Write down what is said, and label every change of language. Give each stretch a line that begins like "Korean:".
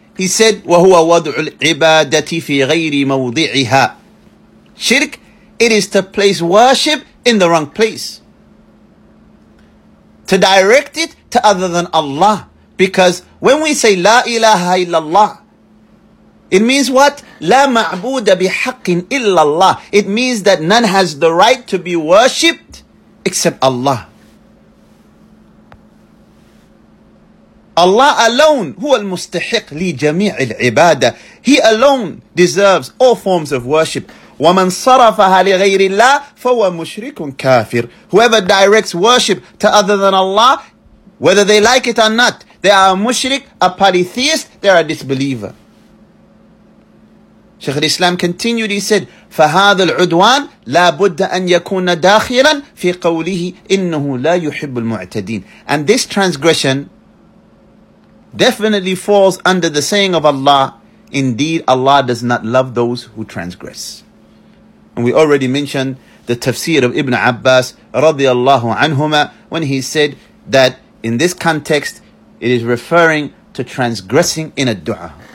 English: He said,
Arabic: وَهُوَ وَضْعُ الْعِبَادَةِ فِي غَيْرِ مَوْضِعِهَا.
English: Shirk, it is to place worship in the wrong place. To direct it to other than Allah. Because when we say La ilaha illallah, it means what?
Arabic: La ma'buda bihaqqin illallah.
English: It means that none has the right to be worshipped except Allah. Allah alone,
Arabic: huwa al-mustahiq li jami'i al-ibadah.
English: He alone deserves all forms of worship.
Arabic: وَمَنْ صَرَفَهَا لِغَيْرِ اللَّهِ فَهُوَ مُشْرِكٌ كَافِرٌ.
English: Whoever directs worship to other than Allah, whether they like it or not, they are a mushrik, a polytheist, they are a disbeliever. Shaykh al-Islam continued, he said,
Arabic: فَهَذَا الْعُدْوَانِ لَا بُدَّ أَنْ يَكُونَ دَاخِلًا فِي قَوْلِهِ إِنَّهُ لَا يُحِبُّ الْمُعْتَدِينَ.
English: And this transgression definitely falls under the saying of Allah, indeed Allah does not love those who transgress. And we already mentioned the tafsir of Ibn Abbas radiallahu anhuma, when he said that in this context it is referring to transgressing in a dua.